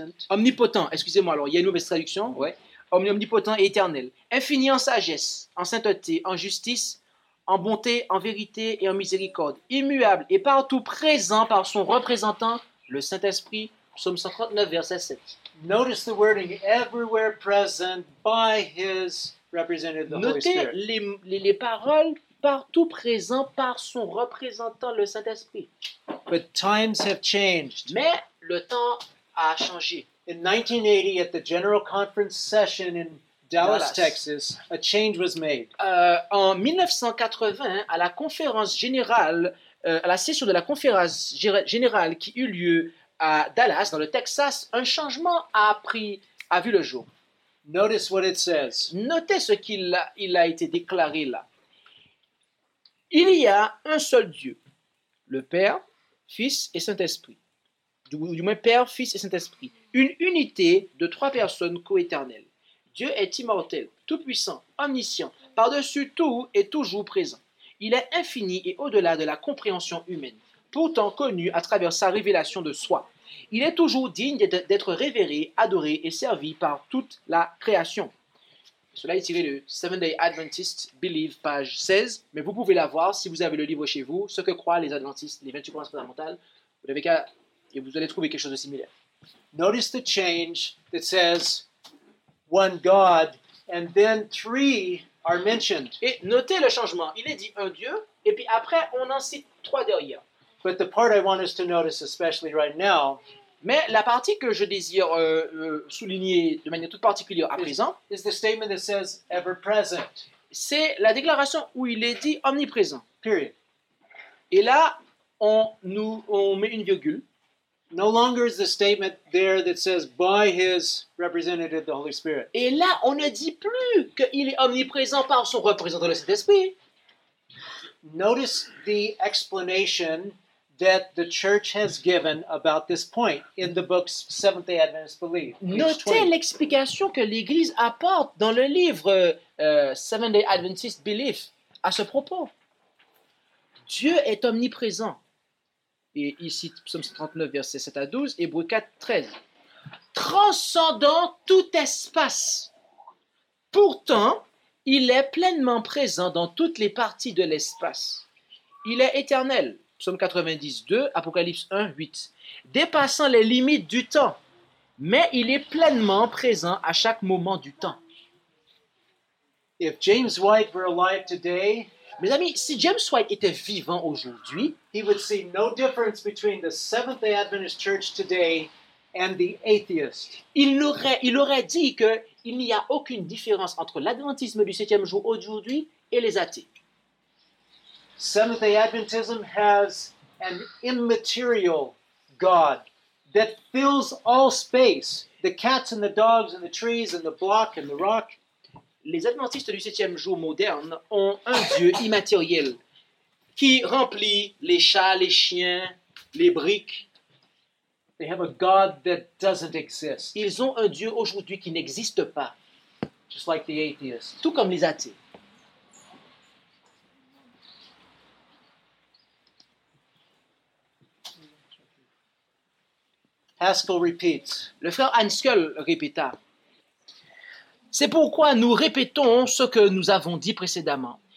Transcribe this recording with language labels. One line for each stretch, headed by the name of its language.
French: Omnipotent, excusez-moi, alors il y a une mauvaise traduction. Ouais. Omnipotent et éternel, infini en sagesse, en sainteté, en justice, en bonté, en vérité et en miséricorde, immuable et partout présent par son représentant, le Saint-Esprit, psaume 139, verset 7.
English: Notice the wording, everywhere present by his... represented the Holy Spirit.
French: Notez les paroles partout présents par son représentant, le Saint-Esprit.
English: But times have changed.
French: Mais le temps a changé.
English: In 1980, at the General Conference session in Dallas, Texas, a change was made.
French: En 1980, à la conférence générale, à la session de la conférence générale qui eut lieu à Dallas, dans le Texas, un changement a vu le jour.
English: Notice what it says.
French: Notez ce qu'il a, il a été déclaré là. Il y a un seul Dieu, le Père, Fils et Saint-Esprit. Du moins Père, Fils et Saint-Esprit. Une unité de trois personnes coéternelles. Dieu est immortel, tout-puissant, omniscient, par-dessus tout et toujours présent. Il est infini et au-delà de la compréhension humaine, pourtant connu à travers sa révélation de soi. Il est toujours digne d'être révéré, adoré et servi par toute la création. Cela est tiré de Seventh-day Adventist Believe, page 16, mais vous pouvez l'avoir si vous avez le livre chez vous, ce que croient les Adventistes, les 28 croyances fondamentales, vous avez qu'à, et vous allez trouver quelque chose de similaire.
English: Notice the change that says one God and then three are mentioned.
French: Et notez le changement. Il est dit un Dieu et puis après on en cite trois derrière.
English: But the part I want us to notice especially right now.
French: Mais la partie que je désire souligner de manière toute particulière à présent.
English: Is the statement that says ever present.
French: C'est la déclaration où il est dit omniprésent.
English: Period.
French: Et là on met une virgule.
English: No longer is the statement there that says by his representative the Holy Spirit.
French: Et là, on ne dit plus qu'il est omniprésent par son représentant le Saint-Esprit.
English: Notice the explanation that the church has given about this point in the books Seventh-day Adventist Believe.
French: Notez l'explication que l'Église apporte dans le livre Seventh-day Adventist Believe à ce propos. Dieu est omniprésent. Et ici, psaume 39, versets 7 à 12, Hébreux 4, 13. Transcendant tout espace. Pourtant, il est pleinement présent dans toutes les parties de l'espace. Il est éternel. Psaume 90, 2, Apocalypse 1, 8. Dépassant les limites du temps. Mais il est pleinement présent à chaque moment du temps.
English: If James White were alive today,
French: mes amis, si James White était vivant aujourd'hui,
English: he would see no difference between the Seventh-day Adventist Church today and the atheist.
French: Il aurait dit que il n'y a aucune différence entre l'adventisme du septième jour aujourd'hui et les athées.
English: Seventh-day Adventism has an immaterial God that fills all space, the cats and the dogs and the trees and the block and the rock.
French: Les adventistes du septième jour moderne ont un Dieu immatériel qui remplit les chats, les chiens, les briques.
English: They have a God that doesn't exist.
French: Ils ont un Dieu aujourd'hui qui n'existe pas.
English: Just like the atheists.
French: Tout comme les athées.
English: Haskell repeats.
French: Le frère Haskell répéta. C'est pourquoi nous répétons ce que nous avons dit précédemment.